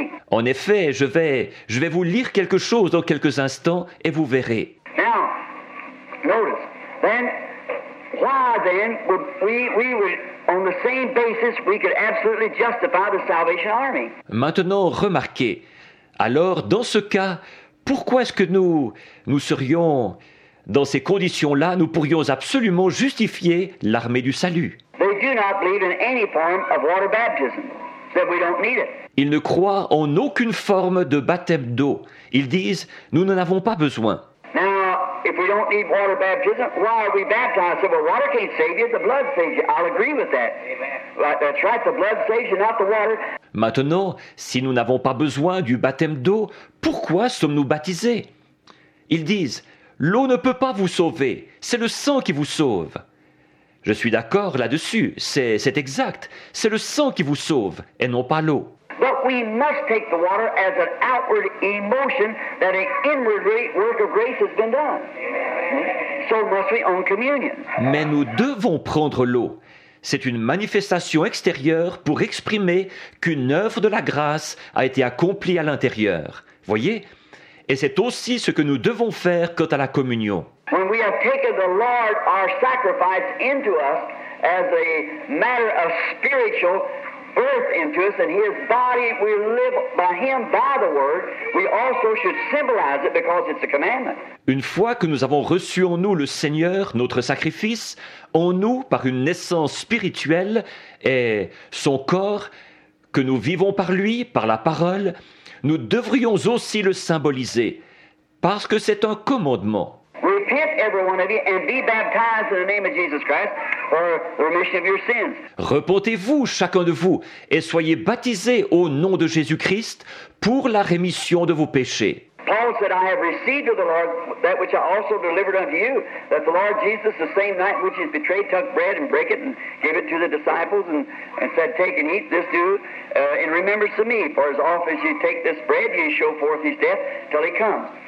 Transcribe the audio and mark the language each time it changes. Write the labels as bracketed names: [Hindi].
[French] En effet, je vais vous lire quelque chose dans quelques instants et vous verrez. [English] Now, notice, then, why then would we would on the same basis we could absolutely justify the Salvation Army? [French] Maintenant, remarquez. Alors, dans ce cas, pourquoi est-ce que nous serions dans ces conditions-là, nous pourrions absolument justifier l'armée du salut? [English] They do not believe in any form of water baptism. That we don't need it. [French] Ils ne croient en aucune forme de baptême d'eau. Ils disent, nous n'en avons pas besoin. [English] Now, if we don't need water baptism, why are we baptized? I said, well, water can't save you, the blood saves you. I'll agree with that. Amen. That's right, the blood saves you, not the water. [French] Maintenant, si nous n'avons pas besoin du baptême d'eau, pourquoi sommes-nous baptisés? Ils disent, l'eau ne peut pas vous sauver, c'est le sang qui vous sauve. Je suis d'accord là-dessus, c'est exact. C'est le sang qui vous sauve et non pas l'eau. [English] But we must take the water as an outward emotion that an inward work of grace has been done. So must we own communion. [French] Mais nous devons prendre l'eau. c'est une manifestation extérieure pour exprimer qu'une œuvre de la grâce a été accomplie à l'intérieur. Voyez ? Et c'est aussi ce que nous devons faire quant à la communion. [English] When we have taken the Lord, our sacrifice into us as a matter of spiritual birth into us, and His body, we live by Him, by the Word, we also should symbolize it because it's a commandment. [French] Une fois que nous avons reçu en nous le Seigneur, notre sacrifice, en nous, par une naissance spirituelle, et son corps, que nous vivons par lui, par la parole, nous devrions aussi le symboliser, parce que c'est un commandement. [English] Repent, every one of you, and be baptized in the name of Jesus Christ for the remission of your sins. [French] Repentez-vous, chacun de vous, et soyez baptisés au nom de Jésus-Christ pour la rémission de vos péchés. [English] Paul said, I have received of the Lord that which I also delivered unto you, that the Lord Jesus, the same night which he betrayed, took bread and brake it and gave it to the disciples and said, take and eat, this do in remembrance of me. For as often as you take this bread, you show forth his death till he comes.